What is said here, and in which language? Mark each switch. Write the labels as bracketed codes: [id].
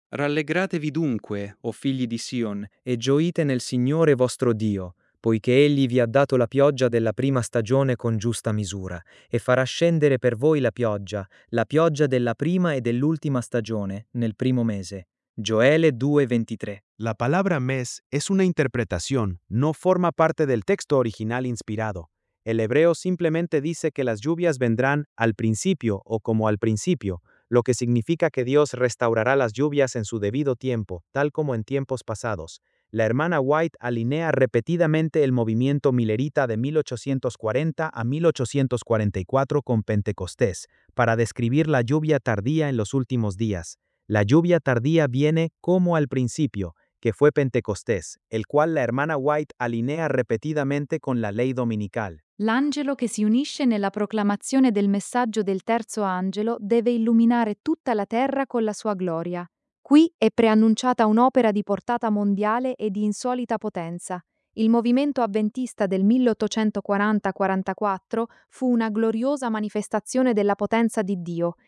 [it] Rallegratevi dunque, o figli di Sion, e gioite nel Signore vostro Dio, poiché Egli vi ha dato la pioggia della prima stagione con giusta misura, e farà scendere per voi la pioggia della prima e dell'ultima stagione, nel primo mese. Gioele 2:23. [es] La palabra mes es una interpretación, no forma parte del texto original inspirado. El hebreo simplemente dice que las lluvias vendrán al principio o como al principio, lo que significa que Dios restaurará las lluvias en su debido tiempo, tal como en tiempos pasados. La hermana White alinea repetidamente el movimiento milerita de 1840 a 1844 con Pentecostés, para describir la lluvia tardía en los últimos días. La lluvia tardía viene como al principio, que fue Pentecostés, el cual la hermana White alinea repetidamente con la ley dominical. [it] L'angelo che si unisce nella proclamazione del messaggio del terzo angelo deve illuminare tutta la terra con la sua gloria. Qui è preannunciata un'opera di portata mondiale e di insolita potenza. Il movimento avventista del 1840-44 fu una gloriosa manifestazione della potenza di Dio.